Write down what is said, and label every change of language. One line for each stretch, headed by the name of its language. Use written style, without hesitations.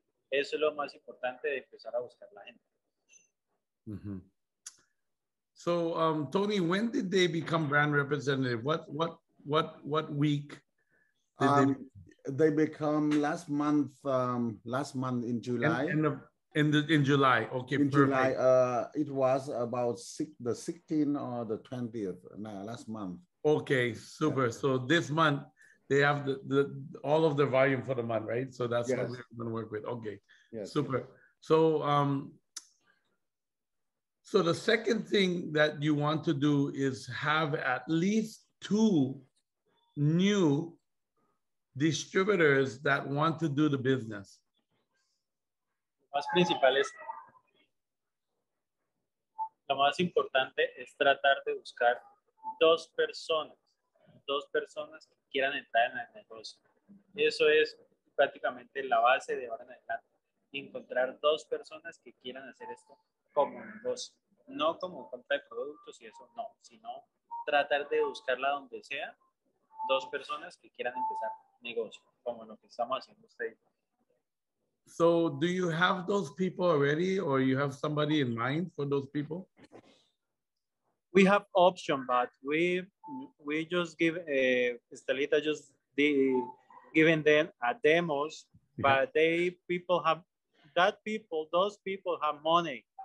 Spanish: Eso es lo más importante de empezar a buscar la gente. Mm-hmm.
English: So, Tony, when did they become brand representative? What week did they? They become last month. Last month in July. In July. Okay. July. It was about the 16th or the 20th. No, last month. Okay. Super. Yeah. So this month they have the all of the volume for the month, right? So that's what we're going to work with. Okay. Yes. Super. So So the second thing that you want to do is have at least two new distributors that want to do the business.
Spanish: Más principal es, lo más importante es tratar de buscar dos personas que quieran entrar en el negocio. Eso es prácticamente la base de ahora en adelante. Encontrar dos personas que quieran hacer esto como negocio. No como compra de productos y eso, no. Sino tratar de buscarla donde sea, dos personas que quieran empezar negocio, como lo que estamos haciendo usted.
English: So, do you have those people already, or you have somebody in mind for those people? We have option, but we just give Estelita just giving them a demos, but those people have money.